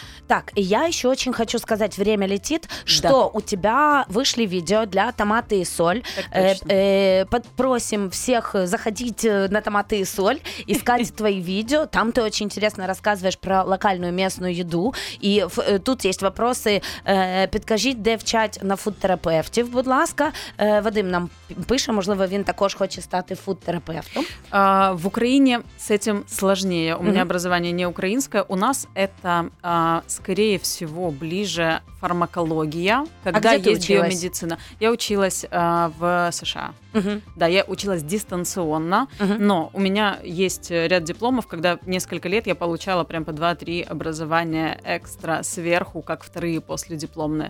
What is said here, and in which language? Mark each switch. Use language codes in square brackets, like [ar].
[ru] Так, и я еще очень хочу сказать, время летит, что да. у тебя вышли видео для «Томаты и соль». Подпросим всех заходить на «Томаты и соль», искать твои видео. Там ты очень интересно рассказываешь про локальную местную еду. И тут есть вопросы. [uk] Підкажіть, де вчать на фуд-терапевтів, будь ласка. Вадим нам пише, можливо, він також хоче стати фуд-терапевтом. В Україні з цим складніше. У мене образування не українське. У нас це... [ru] скорее всего, ближе фармакология, когда есть биомедицина. Я училась в США. Да, я училась дистанционно, но у меня есть ряд дипломов, когда несколько лет я получала прям по 2-3 образования экстра сверху, как вторые последипломные.